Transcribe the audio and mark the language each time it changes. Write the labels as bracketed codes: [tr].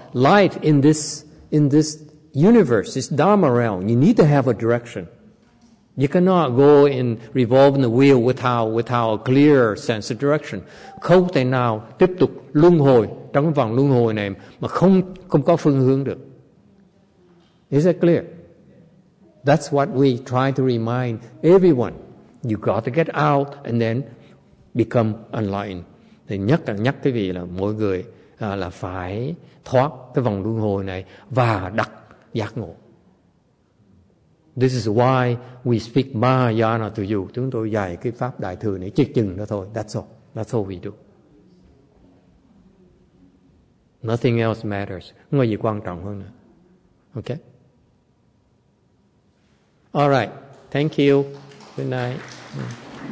[en] Life in this universe, this Dharma realm, you need to have a direction. You cannot go and revolve in the wheel without a clear sense of direction. [vi] Không thể nào tiếp tục luân hồi trong vòng luân hồi này mà không có phương hướng được. [en] Is that clear? That's what we try to remind everyone. You got to get out and then become enlightened. [vi] Thì nhắc cái vị là mỗi người là phải thoát cái vòng luân hồi này và đắc giác ngộ. [en] This is why we speak Mahayana to you. [vi] Chúng tôi dạy cái pháp đại thừa này chỉ chừng đó thôi. [en] That's all. That's all we do. Nothing else matters. [vi] Không có gì quan trọng hơn nữa. [en] Okay? All right. Thank you. Good night.